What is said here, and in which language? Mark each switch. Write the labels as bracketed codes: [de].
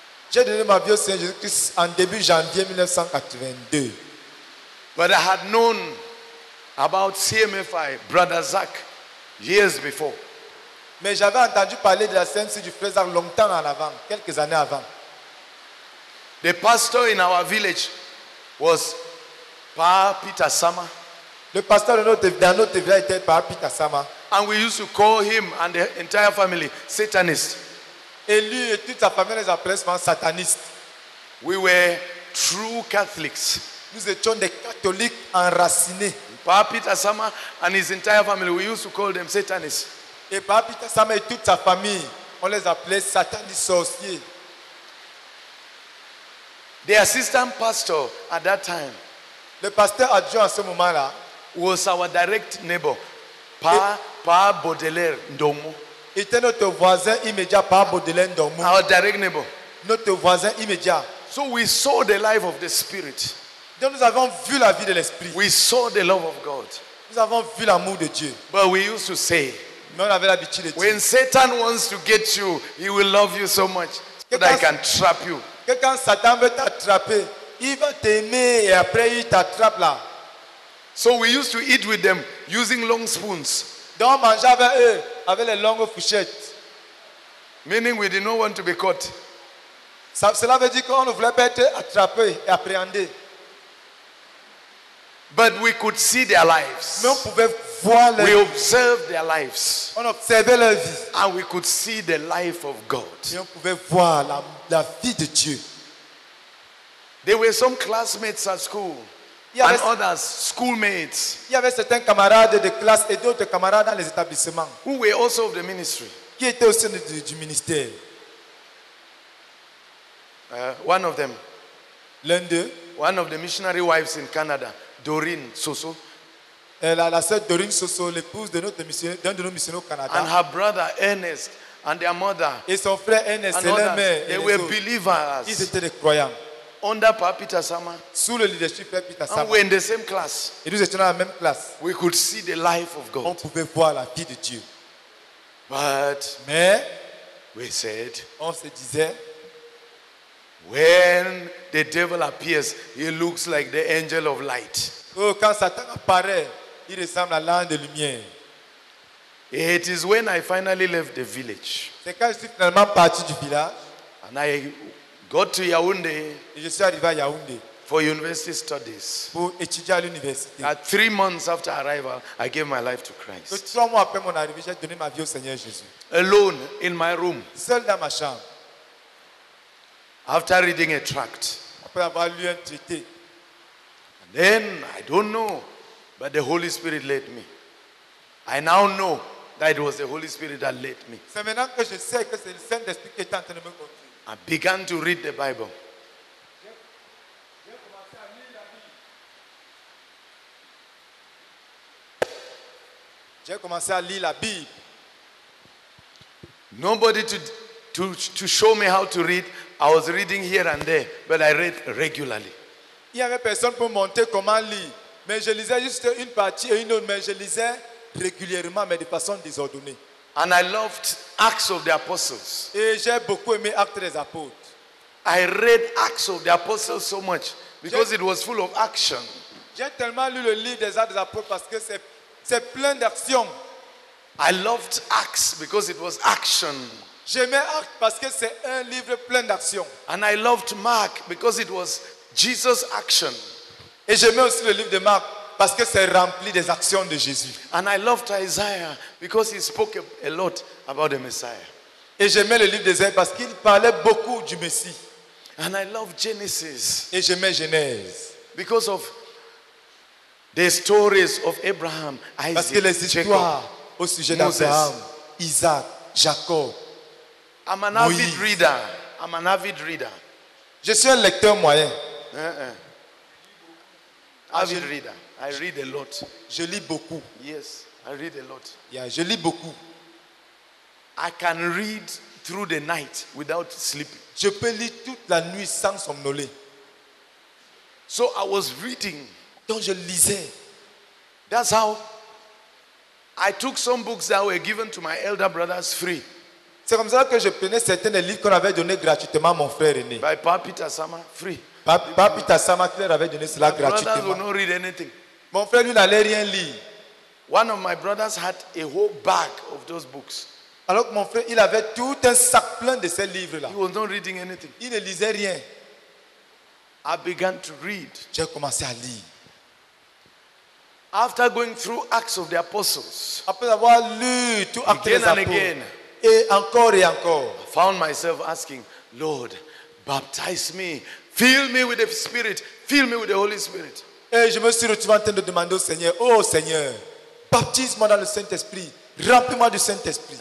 [fr] J'ai donné ma vie au Seigneur Jésus-Christ en début janvier 1982. [en] But I had known about CMFI, Brother Zach, years before. [fr] Mais j'avais entendu parler de la CMFI du frère Zach longtemps en avant, quelques années avant. [en] The pastor in our village was Pa Peter Sama. [fr] Le pasteur dans notre village était Pa Peter Sama. [en] And we used to call him and the entire family Satanist. [fr] Et lui et toute sa famille les appelaient souvent satanistes. [en] We were true Catholics. [fr] Nous étions des catholiques enracinés. [en] Pa Peter Sama and his entire family, we used to call them Satanists. [fr] Et Pa Peter Sama et toute sa famille, on les appelait satanistes sorciers. [en] The assistant pastor at that time, [fr] le pasteur adjoint à ce moment-là, [en] was our direct neighbor, Pa Baudelaire Ndomo. [fr] Était notre voisin immédiat, Pa Baudelaire Ndomo. [en] Our direct neighbor. [fr] Notre voisin immédiat. [en] So we saw the life of the Spirit. [fr] Donc nous avons vu la vie de l'Esprit. [en] We saw the love of God. [fr] Nous avons vu l'amour de Dieu. [en] But we used to say, [fr] mais on avait l'habitude de dire, [en] when Satan wants to get you, he will love you so much that I can trap you. [fr] Que quand Satan veut t'attraper, il va t'aimer et après il t'attrape là. [en] So we used to eat with them using long spoons. [fr] Donc on mangeait avec eux avec les longues fourchettes. [en] Meaning we did not want to be caught. [fr] Ça, cela veut dire qu'on ne voulait pas être attrapé et appréhendé. [en] But we could see their lives. [fr] Mais on pouvait voir leur vie. [en] We observed their lives. [fr] On observait leur vie. [en] And we could see the life of God. [fr] Et on pouvait voir la vie de Dieu. [en] There were some classmates at school and others schoolmates. [fr] Il y avait certains camarades de classe et d'autres camarades dans les établissements [en] who were also of the ministry. [fr] Qui étaient aussi du ministère. [en] One of them. [fr] L'un d'eux. [en] One of the missionary wives in Canada, Doreen Soso. [fr] La sœur Doreen Soso, l'épouse d'un de nos missionnaires au Canada. [en] And her brother Ernest and their mother. [fr] Et son frère Ernest et leur mère. [en] They were believers. [fr] Ils étaient des croyants. [en] Under Pa Peter Sama. [fr] Sous le leadership de Peter Sama. [en] And we're in the same class. [fr] Et nous étions dans la même classe. [en] We could see the life of God. [fr] On pouvait voir la vie de Dieu. [en] But [fr] mais [en] we said, [fr] on se disait, [en] when the devil appears, he looks like the angel of light. [fr] Oh, quand Satan apparaît, il ressemble à l'ange de lumière. [en] It is when I finally left the village. [fr] C'est quand je suis finalement parti du village. [en] And I got to Yaoundé. [fr] Et je suis arrivé à Yaoundé. [en] for university studies. [fr] Pour étudier à l'université. [en] At 3 months after arrival, I gave my life to Christ. [fr] 3 mois après mon arrivée, j'ai donné ma vie au Seigneur Jésus. [en] Alone in my room. [fr] Seul dans ma chambre. [en] After reading a tract. [fr] Après avoir lu un traité. [en] And then I don't know, but the Holy Spirit led me. I now know that it was the Holy Spirit that led me. [fr] C'est maintenant que je sais que c'est le Saint-Esprit qui est en train de me conduire. [en] I began to read the Bible. [fr] J'ai commencé à lire la Bible. [en] Nobody to show me how to read. I was reading here and there, but I read regularly. [fr] Il n'y avait personne pour montrer comment lire, mais je lisais juste une partie et une autre, mais je lisais régulièrement, mais de façon désordonnée. [en] And I loved Acts of the Apostles. [fr] Et j'ai beaucoup aimé Actes des Apôtres. [en] I read Acts of the Apostles so much because it was full of action. [fr] J'ai tellement lu le livre des Actes des Apôtres parce que c'est plein d'action. [en] I loved Acts because it was action. [fr] J'aimais Acte parce que c'est un livre plein d'action. [en] And I loved Mark because it was Jesus' action. [fr] Et j'aimais aussi le livre de Marc parce que c'est rempli des actions de Jésus. [en] And I loved Isaiah because he spoke a lot about the Messiah. [fr] Et j'aimais le livre d'Isaïe parce qu'il parlait beaucoup du Messie. [en] And I loved Genesis. [fr] Et j'aimais Genèse [en] because of the stories of Abraham, Isaac, [fr] parce que les histoires [en] Jacob, [fr] au sujet d'Abraham, Isaac, Jacob. [en] I'm an avid [fr] Moïse. [en] Reader. I'm an avid reader. [fr] Je suis un lecteur moyen. [en] Avid reader. I read a lot. [fr] Je lis beaucoup. [en] Yes, I read a lot. [fr] Yeah, je lis beaucoup. [en] I can read through the night without sleeping. [fr] Je peux lire toute la nuit sans somnoler. [en] So I was reading. [fr] Donc je lisais. [en] That's how I took some books that were given to my elder brothers free. [fr] C'est comme ça que je prenais certains des livres qu'on avait donné gratuitement à mon frère aîné. [en] By Papita Sama, free. [fr] Papita Sama, qui leur avait donné cela [en] my [fr] gratuitement. [en] Brothers will not read anything. [fr] Mon frère, lui, n'allait rien lire. [en] One of my brothers had a whole bag of those books. [fr] Alors que mon frère, il avait tout un sac plein de ces livres-là. [en] He was not reading anything. [fr] Il ne lisait rien. [en] I began to read. [fr] J'ai commencé à lire. [en] After going through Acts of the Apostles, [fr] après avoir lu tout Acte des Apôtres, [en] again, [fr] et encore et encore, [en] I found myself asking, Lord, baptize me, fill me with the Spirit, fill me with the Holy Spirit. [fr] Et je me suis retrouvé en train de demander au Seigneur, oh Seigneur, baptise-moi dans le Saint-Esprit, remplis-moi du Saint-Esprit.